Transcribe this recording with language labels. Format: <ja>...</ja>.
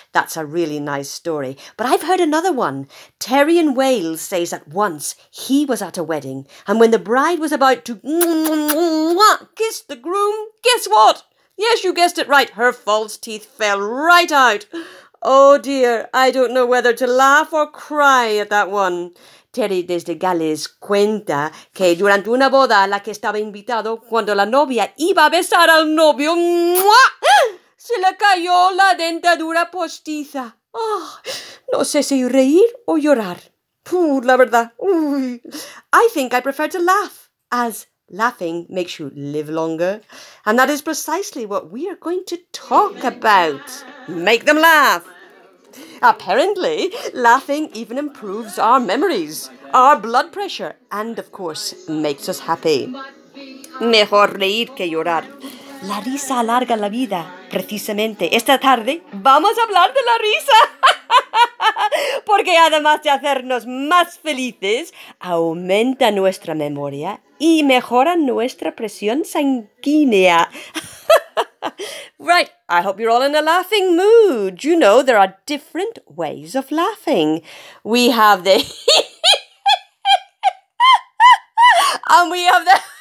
<en>That's a really nice story. But I've heard another one. Terry in Wales says that once he was at a wedding and when the bride was about to kiss the groom, guess what? Yes, you guessed it right. Her false teeth fell right out. Oh dear, I don't know whether to laugh or cry at that one.</en> <es>Terry desde Gales cuenta que durante una boda a la que estaba invitado, cuando la novia iba a besar al novio, ¡mua!, se le cayó la dentadura postiza. Oh, no sé si reír o llorar. Puh, la verdad. Uy.</es> <en>I think I prefer to laugh, as laughing makes you live longer. And that is precisely what we are going to talk about. Make them laugh. Apparently, laughing even improves our memories, our blood pressure, and of course, makes us happy.</en> <es>Mejor reír que llorar. La risa alarga la vida. Precisamente, esta tarde vamos a hablar de la risa. Porque además de hacernos más felices, aumenta nuestra memoria y mejora nuestra presión sanguínea.</es> <en>Right, I hope you're all in a laughing mood. You know, there are different ways of laughing. We have the... and we have the...</en>